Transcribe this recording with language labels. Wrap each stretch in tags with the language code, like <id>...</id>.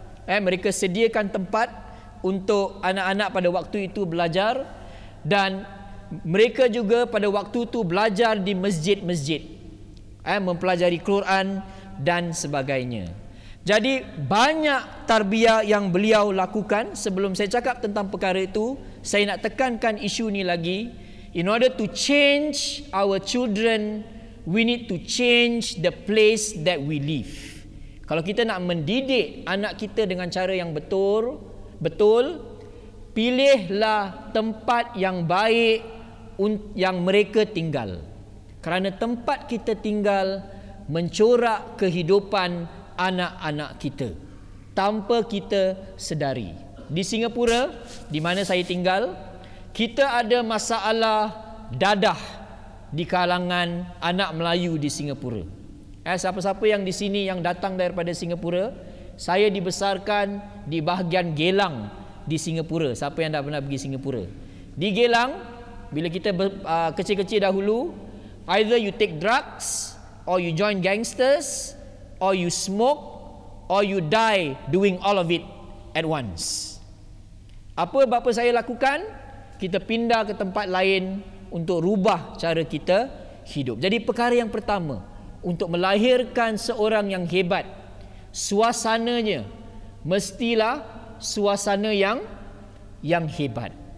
<ms>Mereka sediakan tempat untuk anak-anak pada waktu itu belajar. Dan mereka juga pada waktu itu belajar di masjid-masjid, mempelajari Quran dan sebagainya. Jadi banyak tarbiyah yang beliau lakukan. Sebelum saya cakap tentang perkara itu, saya nak tekankan isu ini lagi.</ms> <en>In order to change our children, we need to change the place that we live.</en> <ms>Kalau kita nak mendidik anak kita dengan cara yang betul, pilihlah tempat yang baik yang mereka tinggal. Kerana tempat kita tinggal mencorak kehidupan anak-anak kita tanpa kita sedari. Di Singapura, di mana saya tinggal, kita ada masalah dadah di kalangan anak Melayu di Singapura. Siapa-siapa yang di sini yang datang daripada Singapura, saya dibesarkan di bahagian Gelang di Singapura. Siapa yang dah pernah pergi Singapura? Di Gelang, bila kita kecil-kecil dahulu,</ms> <en>Either you take drugs, or you join gangsters, or you smoke, or you die doing all of it at once.</en> <ms>Apa bapa saya lakukan? Kita pindah ke tempat lain untuk rubah cara kita hidup. Jadi perkara yang pertama, untuk melahirkan seorang yang hebat, suasananya mestilah suasana yang hebat.</ms>